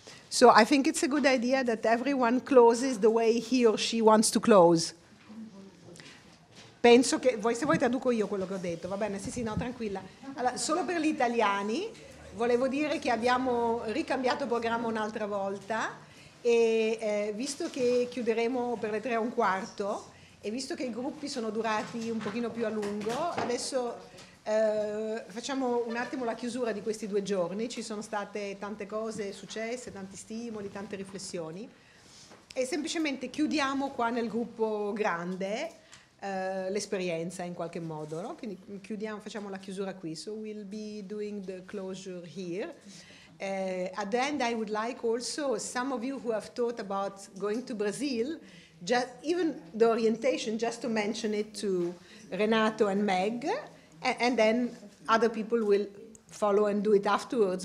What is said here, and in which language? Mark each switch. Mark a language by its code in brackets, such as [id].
[en] So I think it's a good idea that everyone closes the way he or she wants to close. [it] Penso che voi, se vuoi traduco io quello che ho detto, va bene? Sì, sì, no, tranquilla. Allora, solo per gli italiani, volevo dire che abbiamo ricambiato programma un'altra volta e visto che chiuderemo per le 3:15 e visto che i gruppi sono durati un pochino più a lungo, adesso facciamo un attimo la chiusura di questi 2 giorni. Ci sono state tante cose successe, tanti stimoli, tante riflessioni. E semplicemente chiudiamo qua nel gruppo grande l'esperienza in qualche modo, no? Quindi chiudiamo, facciamo la chiusura qui. [en] So we'll be doing the closure here. At the end I would like also some of you who have thought about going to Brazil, just even the orientation, just to mention it to Renato and Meg, and then other people will follow and do it afterwards.